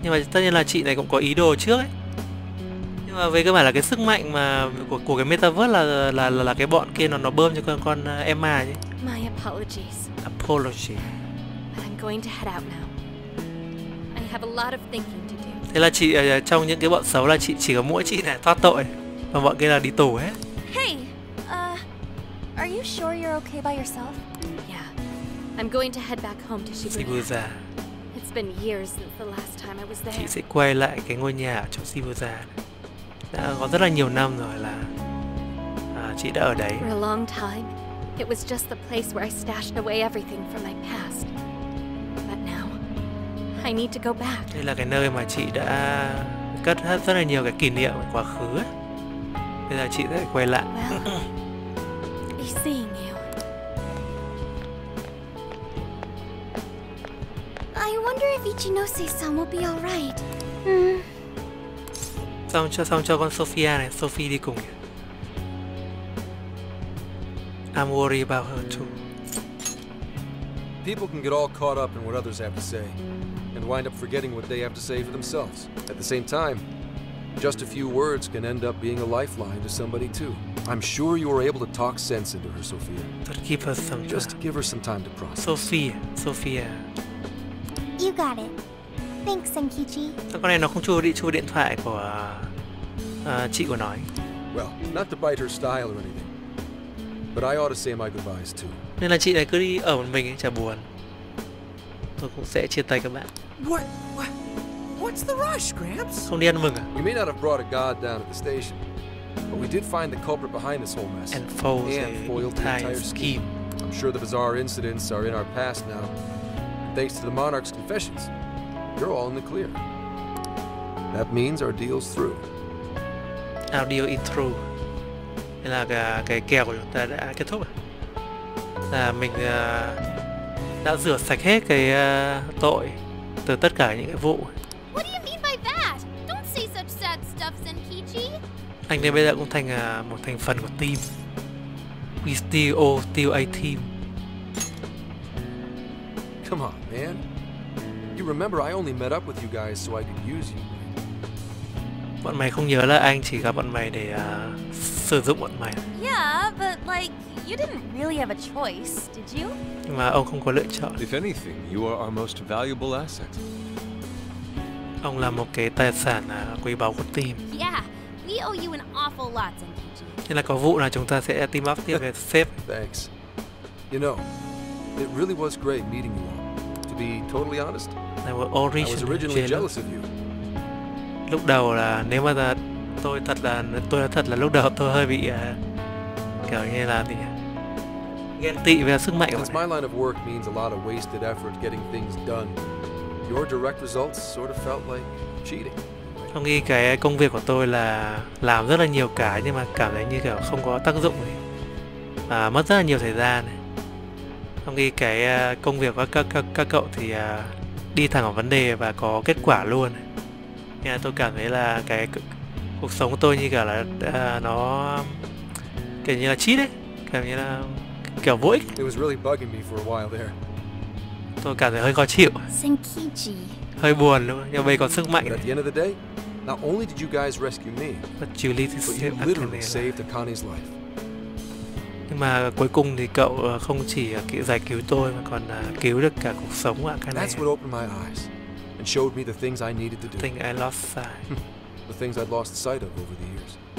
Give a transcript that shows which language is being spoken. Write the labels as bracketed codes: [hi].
[vi] Nhưng mà tất nhiên là chị này cũng có ý đồ trước ấy. Nhưng mà về cơ bản là cái sức mạnh mà của cái Metaverse là cái bọn kia nó bơm cho con Emma chứ. [en] My apologies. Apology. But I'm going to head out now. I have a lot of thinking to do. [vi] Thế là chị trong những cái bọn xấu là chị chỉ có mỗi chị này thoát tội và bọn kia là đi tù hết. [en] Hey, are you sure you're okay by yourself? Yeah, I'm going to head back home to Shibuya. It's been years since the last time I was there. [vi] Chị sẽ quay lại cái ngôi nhà ở chỗ Shibuya. Đã có rất là nhiều năm rồi là chị đã ở đấy. [en] For a long time, it was just the place where I stashed away everything from my past. But now, I need to go back. [vi] Đây là cái nơi mà chị đã cất hết rất là nhiều cái kỷ niệm của quá khứ. Bây giờ chị sẽ quay lại. [en] Well, be seeing you. I wonder if Ichinose-san will be all right. [vi] Xong cho con Sophia này, Sophie đi cùng. [en] I'm worried about her too. People can get all caught up in what others have to say and wind up forgetting what they have to say for themselves. At the same time, just a few words can end up being a lifeline to somebody too. I'm sure you are able to talk sense into her, Sophia. But give her some time. Just give her some time to process. Sophia. You got it. Thanks, Senkichi. [vi] Sao con này nó không chua điện thoại của chị của nó ấy. [en] Well, not to bite her style or anything, but I ought to say my goodbyes too. [vi] Nên là chị này cứ đi ở một mình ấy, chả buồn. Tôi cũng sẽ chia tay các bạn. [en] What? What's the rush, Gramps? [vi] Không đi ăn mừng à? [en] You may not have brought a guard down at the station, but we did find the culprit behind this whole mess. And foiled the entire scheme. I'm sure the bizarre incidents are in our past now, thanks to the Monarch's confessions. You're all in the clear. That means our deal's through. Our deal is through. [vi] Nên là cái kèo của chúng ta đã kết thúc. Là mình đã rửa sạch hết cái tội từ tất cả những cái vụ. [en] What do you mean by that? Don't say such sad stuff, Senkichi. [vi] Anh đây bây giờ cũng thành một thành phần của team. [en] We still owe a team. Come on, man. You remember I only met up with you guys so I could use you. [vi] Bọn mày không nhớ là anh chỉ gặp bọn mày để sử dụng bọn mày. [en] Yeah, but like you didn't really have a choice, did you? [vi] Nhưng mà ông không có lựa chọn. [en] If anything, you are our most valuable asset. [vi] Ông là một cái tài sản quý báu của team. [en] Yeah, we owe you an awful lot, Senkichi. [vi] Nên là có vụ nào chúng ta sẽ [en] team up [vi] tiếp với sếp. [en] Thanks. You know, it really was great meeting you. To be totally honest, I was originally jealous of you. [vi] Lúc đầu là nếu mà tôi thật là lúc đầu tôi hơi bị kiểu như là gì ghen tị về sức mạnh của mình. [en] My line of work means a lot of wasted effort getting things done. Your direct results sort of felt like cheating. [vi] Tôi nghĩ cái công việc của tôi là làm rất là nhiều cái nhưng mà cảm thấy như kiểu không có tác dụng này, và mất rất là nhiều thời gian này. Trong khi cái công việc của các cậu thì đi thẳng vào vấn đề và có kết quả luôn. Nên là tôi cảm thấy là cái cuộc sống của tôi như kiểu là nó kiểu như là cheat ấy. Kiểu như là kiểu vô ích. [en] It was really bugging me for a while there. [vi] Tôi cảm thấy hơi khó chịu. [en] Senkichi. [vi] Hơi buồn luôn. Nhưng mà bây giờ còn sức mạnh. [en] But at the end of the day, Not only did you guys rescue me, but Julius literally saved Akane's life. [vi] Nhưng mà cuối cùng thì cậu không chỉ giải cứu tôi mà còn cứu được cả cuộc sống của Akane. [en] That's what opened my eyes and showed me the things I needed to do. Thing I lost sight. The things I'd lost sight of over the years.